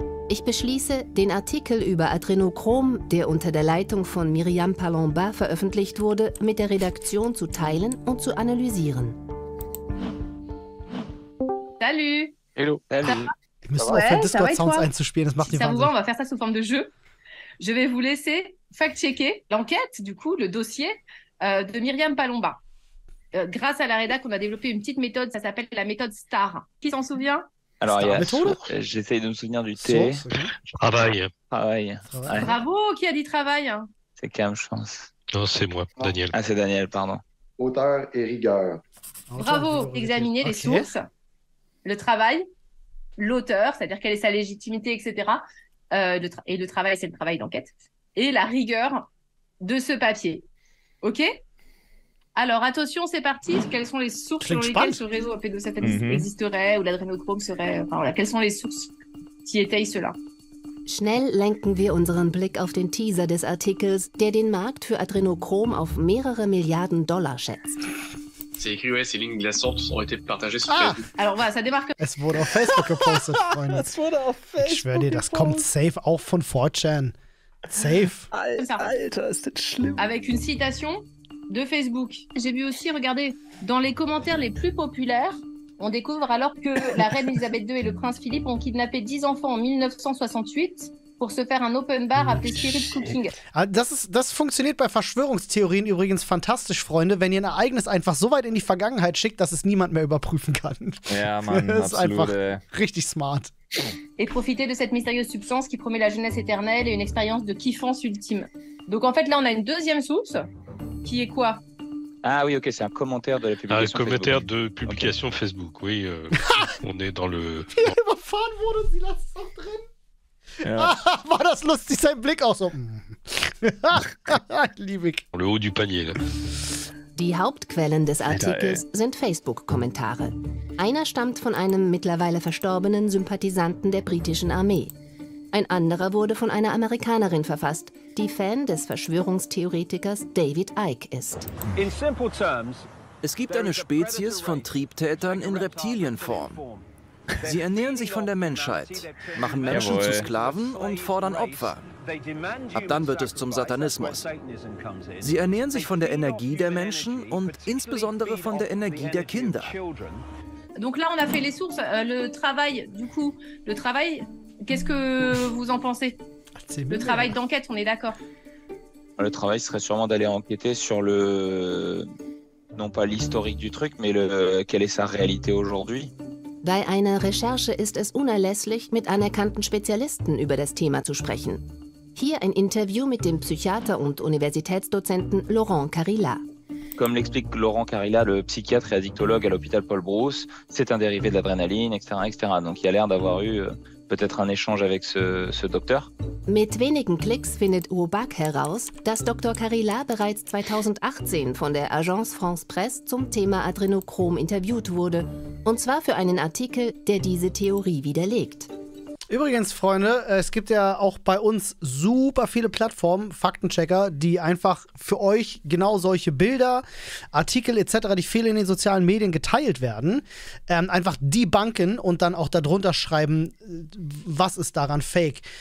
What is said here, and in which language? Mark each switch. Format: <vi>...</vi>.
<de>Ich beschließe, den Artikel über Adrenochrom, der unter der Leitung von Myriam Palomba veröffentlicht wurde, mit der Redaktion zu teilen und zu analysieren.</de> <fr>Salut!</fr> <en>Hello!</en> <fr>Salut.</fr> <de>Wir müssen aufhören, Discord-Sounds einzuspielen, das macht die Wahnsinn.</de> <fr>On va faire ça sous forme de jeu. Je vais vous laisser fact-checker l'enquête, du coup, le dossier de Myriam Palomba. Grâce à la rédac, on a développé une petite méthode, ça s'appelle la méthode STAR. Qui s'en souvient? Alors, il y a j'essaye de me souvenir du thé. Travail. Ouais. Bravo, qui a dit travail? C'est Cam, je pense. Non, c'est moi, Daniel. Ah, c'est Daniel, pardon. Auteur et rigueur. Bravo, examiner les sources, le travail, l'auteur, c'est-à-dire quelle est sa légitimité, etc. Et le travail, c'est le travail d'enquête. Et la rigueur de ce papier. OK? Alors, attention, c'est parti. Quelles sont les sources sur lesquelles ce réseau pédocétal existerait ou l'adrénochrome serait... Enfin, voilà. Quelles sont les sources qui étayent cela?</fr> <de>Schnell lenken wir unseren Blick auf den Teaser des Artikels, der den Markt für Adrenochrom auf mehrere Milliarden Dollar schätzt.</de> <fr>C'est écrit, ouais, ces lignes de la sorte ont été partagées sur Facebook. Alors voilà, ça démarque...</fr> <de>Es wurde auf Facebook gepostet, Freunde. Es wurde auf Facebook gepostet. Ich schwöre dir, das kommt safe auch von 4chan. Safe. Alter, ist das schlimm.</de> <fr>Avec une citation... de Facebook. J'ai vu aussi, regardez, dans les commentaires les plus populaires, on découvre alors que la reine Elisabeth II et le prince Philippe ont kidnappé 10 enfants en 1968 pour se faire un open bar appelé Spirit Cooking.</fr> <de>Das fonctionne bei Verschwörungstheorien übrigens fantastisch, Freunde, wenn ihr ein Ereignis einfach so weit in die Vergangenheit schickt, dass es niemand mehr überprüfen kann. Ja, Mann, absolut. Das ist einfach richtig smart.</de> <fr>Et profiter de cette mystérieuse substance qui promet la jeunesse éternelle et une expérience de kiffance ultime. Donc en fait, là, on a une deuxième source qui est quoi? Ah oui, ok, c'est un commentaire de la publication Facebook. Facebook, oui. on est dans le...</fr> <de>Wie überfahren wurde, sie lasst es auch drin. War das lustig, sein Blick auch so. Liebig.</de> <fr>Le haut du panier, là.</fr> <de>Die Hauptquellen des Artikels sind Facebook-Kommentare. Einer stammt von einem mittlerweile verstorbenen Sympathisanten der britischen Armee. Ein anderer wurde von einer Amerikanerin verfasst, die Fan des Verschwörungstheoretikers David Icke ist.</de> <en>In simple terms,</en> <de>es gibt eine Spezies von Triebtätern in Reptilienform. Sie ernähren sich von der Menschheit, machen Menschen zu Sklaven und fordern Opfer. Ab dann wird es zum Satanismus. Sie ernähren sich von der Energie der Menschen und insbesondere von der Energie der Kinder.</de> <fr>Donc là on a fait les sources, le travail du coup, le travail, qu'est-ce que vous en pensez? Le travail d'enquête, on est d'accord. Le travail serait sûrement d'aller enquêter sur le non pas l'historique du truc, mais le quelle est sa réalité aujourd'hui.</fr> <de>Bei einer Recherche ist es unerlässlich, mit anerkannten Spezialisten über das Thema zu sprechen. Hier ein Interview mit dem Psychiater und Universitätsdozenten Laurent Carilla.</de> <fr>Comme l'explique Laurent Carilla, le psychiatre et addictologue à l'hôpital Paul Brousse, c'est un dérivé de l'adrénaline, etc., etc. Donc il a l'air d'avoir eu peut-être un échange avec ce docteur.</fr> <de>Mit wenigen Klicks findet Wobak heraus, dass Dr. Carilla bereits 2018 von der Agence France-Presse zum Thema Adrenochrom interviewt wurde. Und zwar für einen Artikel, der diese Theorie widerlegt. Übrigens, Freunde, es gibt ja auch bei uns super viele Plattformen, Faktenchecker, die einfach für euch genau solche Bilder, Artikel etc., die viel in den sozialen Medien geteilt werden, einfach debunken und dann auch darunter schreiben, was ist daran fake.</de>